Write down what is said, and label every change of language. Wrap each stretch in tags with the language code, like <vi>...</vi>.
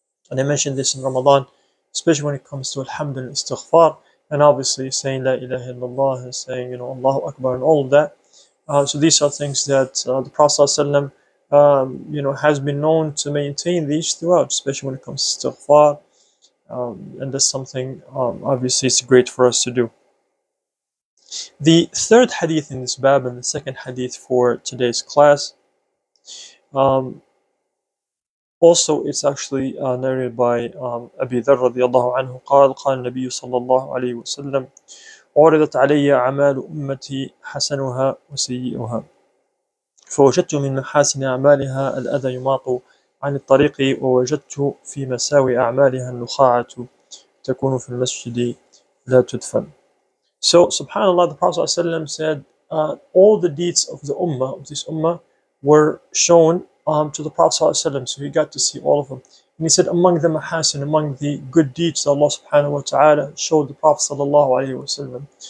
<en>And I mentioned this in Ramadan, especially when it comes to alhamd and istighfar, and obviously saying la ilaha illallah and saying, you know, Allahu Akbar and all of that. So these are things that the Prophet sallallahu alayhi wa sallam has been known to maintain these throughout, especially when it comes to istighfar. And that's something, obviously, it's great for us to do. The third hadith in this bab and the second hadith for today's class, also it's actually narrated by Abi Dharr radiallahu anhu,</en> <ar>قال النبي صلى الله عليه وسلم عرضت علي أعمال أمتي حسنها وسيئها فوجدت من محاسن أعمالها الأذى يماط عن الطريق ووجدت في مساوي أعمالها النخاعة تكون في المسجد لا تدفن.</ar> <en>So, subhanAllah, the Prophet ﷺ said, all the deeds of the ummah, of this ummah, were shown to the Prophet ﷺ, so he got to see all of them. And he said, among the mahasin, among the good deeds that Allah subhanahu wa ta'ala showed the Prophet ﷺ.</en>